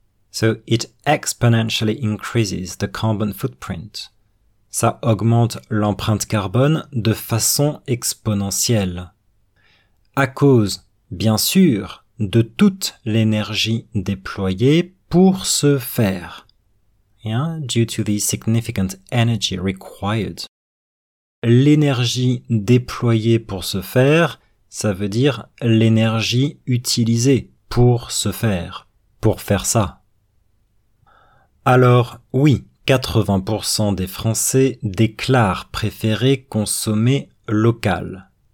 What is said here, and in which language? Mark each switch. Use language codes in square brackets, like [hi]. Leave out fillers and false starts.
[en] So it exponentially increases the carbon footprint. [fr] Ça augmente l'empreinte carbone de façon exponentielle. À cause, bien sûr, de toute l'énergie déployée pour ce faire. [en] Yeah? Due to the significant energy required. [fr] L'énergie déployée pour ce faire, ça veut dire l'énergie utilisée pour ce faire, pour faire ça. Alors oui, 80% des Français déclarent préférer consommer local.